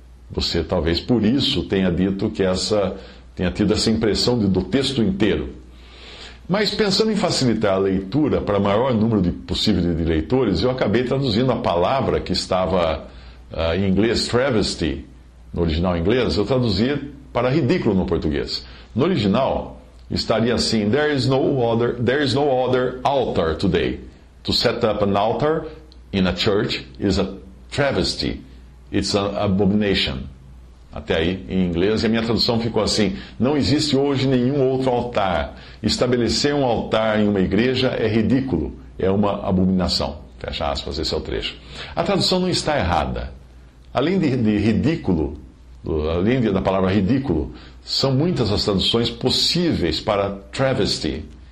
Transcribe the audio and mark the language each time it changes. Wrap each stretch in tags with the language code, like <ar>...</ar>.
<pt>Você talvez por isso tenha dito que tenha tido essa impressão do texto inteiro. Mas pensando em facilitar a leitura para o maior número possível de leitores, eu acabei traduzindo a palavra que estava em inglês, travesty, no original inglês, eu traduzi para ridículo no português. No original, estaria assim:</pt> <en>There is no other altar today. To set up an altar in a church is a travesty. It's an abomination.</en> <pt>Até aí,</pt> <en>em inglês,</en> <pt>e a minha tradução ficou assim: não existe hoje nenhum outro altar. Estabelecer um altar em uma igreja é ridículo, é uma abominação. Fecha aspas, esse é o trecho. A tradução não está errada. Além de ridículo, além da palavra ridículo, são muitas as traduções possíveis para travesty.</pt>